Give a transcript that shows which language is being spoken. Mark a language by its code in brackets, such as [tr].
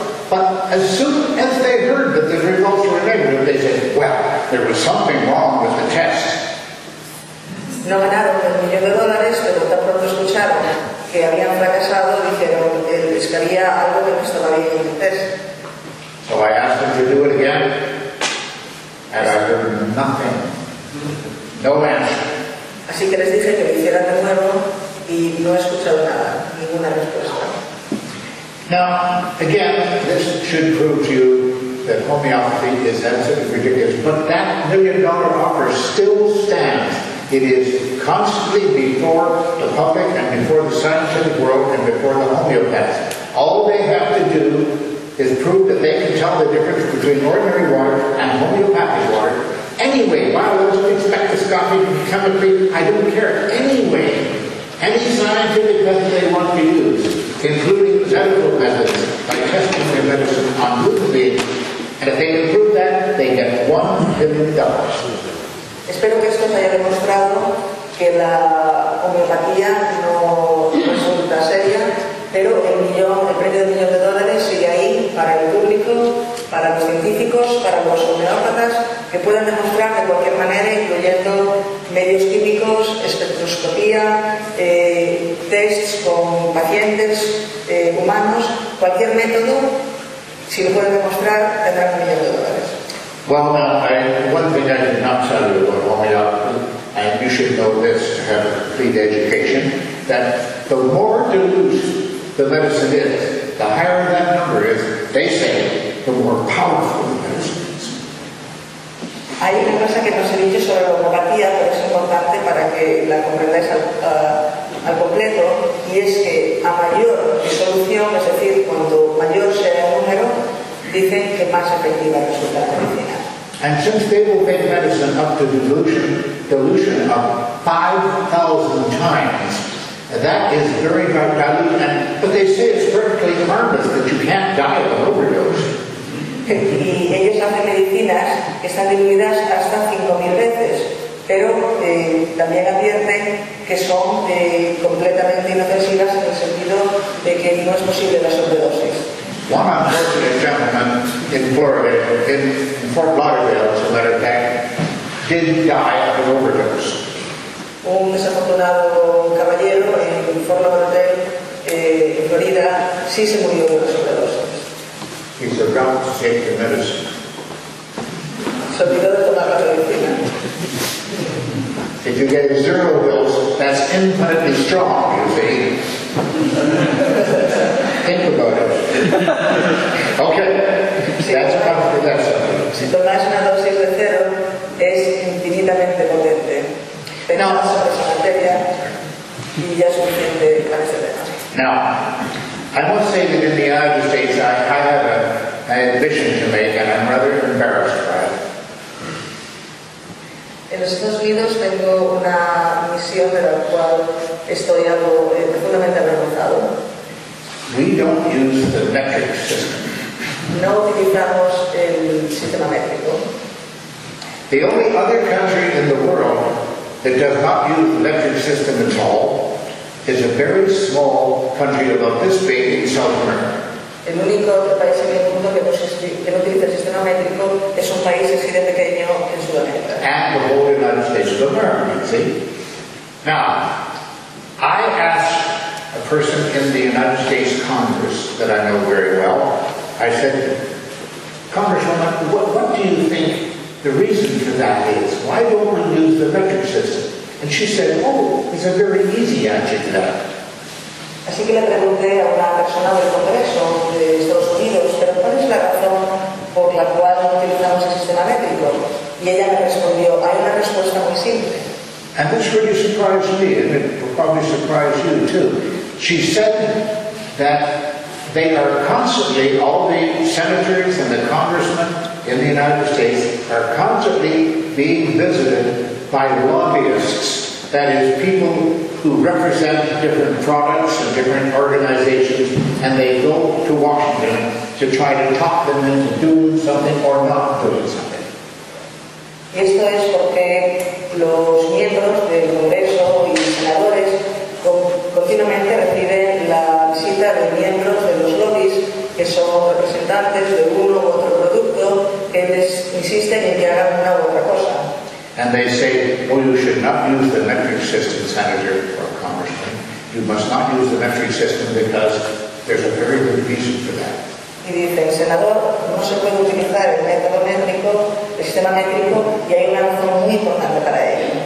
[en] But as soon as they heard that the results were negative, they said, well, there was something wrong with the test. [es] No ganaron el millón de dólares, pero tan pronto escucharon que habían fracasado, dijeron que les había algo que no estaba bien en el test. [en] So I asked them to do it again, and I heard nothing. No answer. [es] Así que les dije que lo hicieran de nuevo, y no he escuchado nada, ninguna respuesta. [en] Now, again, this should prove to you that homeopathy is absolutely ridiculous, but that $1 million offer still stands. It is constantly before the public and before the scientific world and before the homeopaths. All they have to do is prove that they can tell the difference between ordinary water and homeopathic water. Anyway, biologically, spectroscopy, chemically, I don't care. Anyway, any scientific method they want to use, including medical methods, by testing their medicine on human beings, and if they can prove that, they get $1 billion. [es] Espero que esto haya demostrado que la homeopatía no resulta seria, pero el premio de $1 million sigue ahí para el público, para los científicos, para los homeópatas, que puedan demostrar de cualquier manera, incluyendo medios químicos, espectroscopía, tests con pacientes humanos, cualquier método, si lo pueden demostrar, tendrán $1 million. [en] Well, now, one thing I did not tell you about homeopathy, and you should know this to have a complete education, that the more dilute the medicine is, the higher that number is, they say, the more powerful the medicine is. [es] Hay una cosa que no se dice sobre la homeopatía, pero es importante para que la comprendáis al completo, y es que a mayor disolución, es decir, cuanto mayor sea el número, dicen que más efectiva resulta la medicina. [en] And since they will make medicine up to dilution of 5,000 times, that is very valuable. But they say it's perfectly harmless that you can't die of an overdose. [es] Y ellos hacen medicinas que están diluidas hasta 5,000 veces, pero también advierten que son completamente inofensivas en el sentido de que no es posible la sobredosis. [en] One unfortunate gentleman in Florida, in Fort Lauderdale, as a matter of fact, did die of an overdose. [es] Un desafortunado caballero en Fort Lauderdale, en Florida, sí se murió de una sobredosis. [en] He forgot to take the medicine. [es] Se olvidó de tomar la medicina. [en] If you get zero bills, that's infinitely strong, you see. Think about it. Okay. [es] Si [en] that's probably the best. [es] Si tomas una dosis de cero, es infinitamente potente. Tenemos una sobre materia y ya es suficiente para ese tema. [en] Now, I must say that in the United States I have an admission to make and I'm rather embarrassed by it. [es] En los Estados Unidos tengo una misión de la cual estoy algo profundamente avergonzado. [en] We don't use the metric system. [es] No utilizamos el sistema métrico. [en] The only other country in the world that does not use the metric system at all is a very small country about this big in South America. [es] El único país en el mundo que no utiliza el sistema métrico es un país así de pequeño en Sudamérica. [en] And the whole United States of America, you see? Now, I asked a person in the United States Congress that I know very well, I said, Congresswoman, what do you think the reason for that is? Why don't we use the metric system? And she said, oh, it's a very easy answer to that. [es] Así que le pregunté a una persona del Congreso de Estados Unidos, pero ¿cuál es la razón por la cual no utilizamos el sistema métrico? Y ella me respondió, hay una respuesta muy simple. [en] And this really surprised me, and it will probably surprise you too. She said that they are constantly, all the senators and the congressmen in the United States are constantly being visited by lobbyists, that is, people who represent different products and different organizations, and they go to Washington to try to talk them into doing something or not doing something. [es] Y esto es porque los miembros del Congreso y senadores continuamente reciben la visita de miembros de los lobbies que son representantes de uno u otro producto que les insisten en que hagan una u otra cosa. [en] And they say, oh, you should not use the metric system, Senator or Congressman. You must not use the metric system because there's a very good reason for that. [es] Y dicen, Senador, no se puede utilizar el método métrico, el sistema métrico, y hay una razón muy importante para ello.